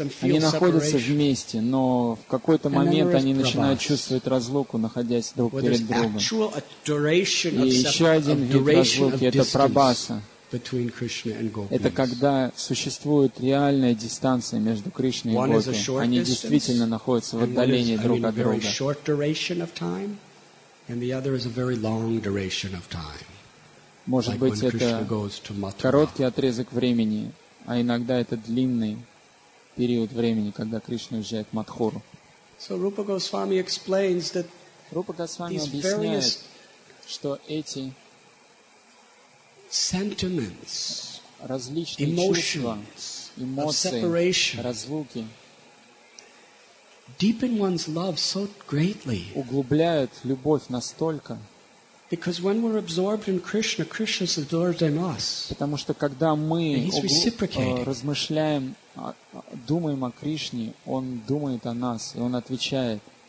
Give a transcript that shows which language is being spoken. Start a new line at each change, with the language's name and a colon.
Russian: Они находятся вместе, но в какой-то момент они начинают чувствовать разлуку, находясь друг перед другом. И еще один вид разлуки – это Прабаса.
English: Between Krishna and Gopis.
Russian: Это когда существует реальная дистанция между Кришной и Гопи. Они действительно находятся в отдалении друг от друга.
English: Short duration of time, and the other is a very long duration of time.
Russian: Может быть, это короткий отрезок времени, а иногда это длинный период времени, когда Кришна уезжает в Матхуру.
English: So Rupa Goswami explains that these various
Russian: что эти
English: sentiments,
Russian: различные
English: emotions,
Russian: чувства, эмоции,
English: separation,
Russian: разлуки,
English: deepen one's love so greatly,
Russian: углубляют любовь настолько,
English: because when we're absorbed in Krishna, Krishna's absorbed in us.
Russian: Потому что когда мы размышляем, думаем о Кришне, он думает о нас и он отвечает.